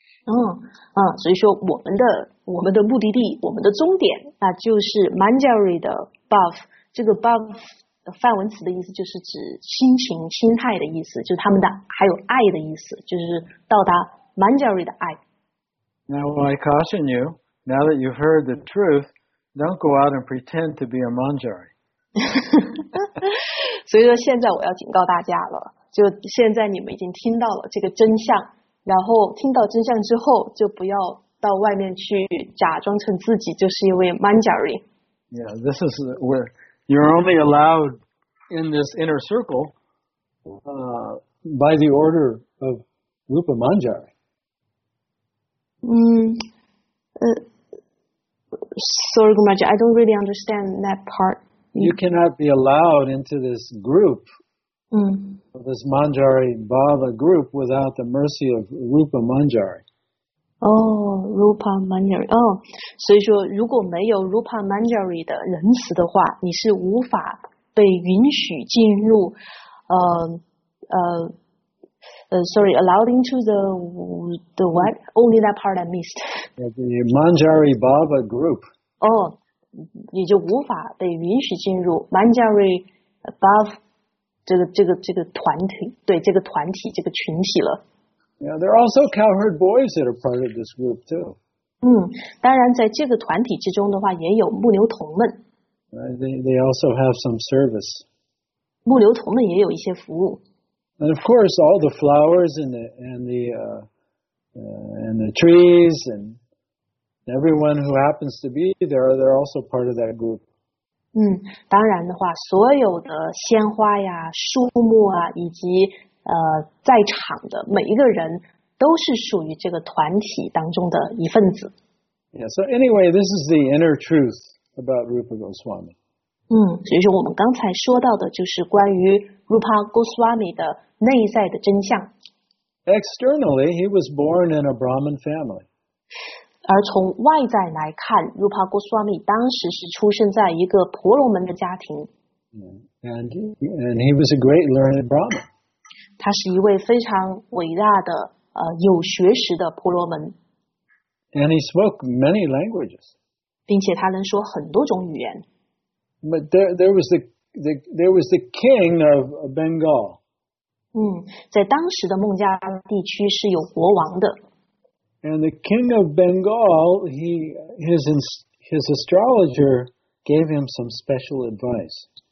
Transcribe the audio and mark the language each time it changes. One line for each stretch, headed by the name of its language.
Chinese: 所以说我们的目的地我们的终点那就是 Manjari 的 Bhav 这个 Bhav梵文词的意思就是指心情心态的意思就是他们的还有爱的意思就是到达 Manjari 的爱
English: Now I caution you now that you've heard the truth don't go out and pretend to be a Manjari
Chinese: 所以说现在我要警告大家了就现在你们已经听到了这个真相然后听到真相之后就不要到外面去假装成自己就是一位 Manjari
English: Yeah, this is where You're only allowed in this inner circle by the order of Rupa Manjari. Sorry, Gumaji, I don't really understand that part. You cannot be allowed into this group, this Manjari Bhava group, without the mercy of Rupa Manjari.
Chinese: Oh, Rupa Manjari. Oh, 所以说如果没有 Rupa Manjari 的仁慈的话你是无法被允许进入
English: allowed into the what? Only that part I missed. The Manjari Bhava group.
Chinese: Oh, 你就无法被允许进入 Manjari Bhava 这个团体对这个团体这个群体了。
English: Yeah, there are also cowherd boys that are part of this group too.
Chinese: 当然在这个团体之中的话也有牧牛童们。
English: Right, they also have some service.
Chinese: 牧牛童们也有一些服务。
English: And of course, all the flowers and the trees and everyone who happens to be there, they're also part of that group.
Chinese: 当然的话所有的鲜花呀树木啊以及在场的每一个人都是属于这个团体当中的一份子。
English: Yeah, so anyway, this is the inner truth about Rupa Goswami.
Chinese: 所以说我们刚才说到的就是关于 Rupa Goswami 的内在的真相。
English: Externally, he was born in a Brahmin family.
Chinese: 而从外在来看 ,Rupa Goswami 当时是出生在一个婆罗门的家庭。
English: And he was a great learned Brahmin.
Chinese: 他是一位非常伟大的有学识的婆罗门。
English: And he spoke many languages.
Chinese: 并且他能说很多种语言。
English: But there was the king of Bengal.
Chinese: 在当时的孟加拉地区是有国王的。
English: And the king of Bengal, his astrologer gave him some special advice.